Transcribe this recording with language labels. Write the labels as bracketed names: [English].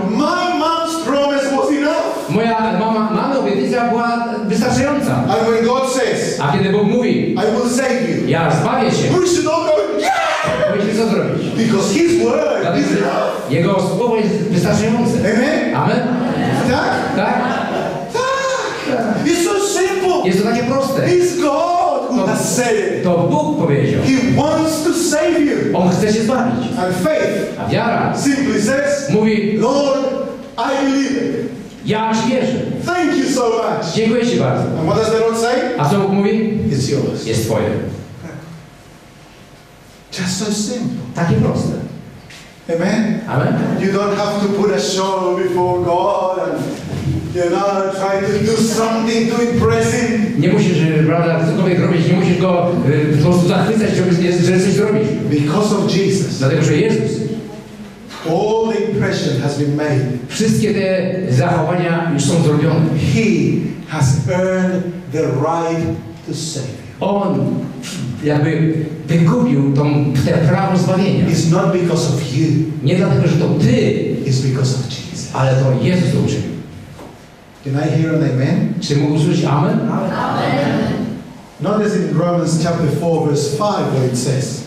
[English] My mom's promise was enough. [Polish] Moja mama obietnica była wystarczająca. [English] And when God says, [Polish] a kiedy Bóg mówi, [English] I will save you. [Polish] Ja zbawię cię. [English] We should all go, yeah! [Polish] Myślę, co zrobić. [English] Because His word is enough. [Polish] Jego słowo jest wystarczające. [English] Amen. [Polish] Amen. Tak? Tak. [English] Tak. It's so simple. [Polish] Jest to takie proste. [English] It's God who has said it. [Polish] To Bóg powiedział. [English] He wants to save you. [Polish] On chce się zbawić. [English] And faith. [Polish] A wiara. [English] Simply says. [Polish] Mówi. [English] Lord, I believe it. [Polish] Ja aż wierzę. [English] Thank you so much. [Polish] Dziękuję ci bardzo. [English] And what does the Lord say? [Polish] A co Bóg mówi? [English] It's yours. [Polish] Jest twoje. [English] Just so simple. [Polish] Takie proste. [English] Amen. [Polish] Amen. [English] You don't have to put a show before God and you know try to do something to impress Him. [Polish] Nie musisz, prawda, cokolwiek robić, nie musisz go po prostu zachwycać, że coś zrobisz. [English] Because of Jesus. [Polish] Dlatego, że Jezus. [English] All the impression has been made. [Polish] Wszystkie te zachowania już są zrobione. [English] He has earned the right to save you. [Polish] On jakby wykupił te prawo zbawienia. [English] It's not because of you. [Polish] Nie dlatego, że to ty. [English] It's because of Jesus. [Polish] Ale to Jezus to uczynił. [English] Can I hear an amen? [Polish] Czy mógł usłyszeć amen? [English] Amen. Amen. Notice in Romans chapter 4 verse 5 where it says.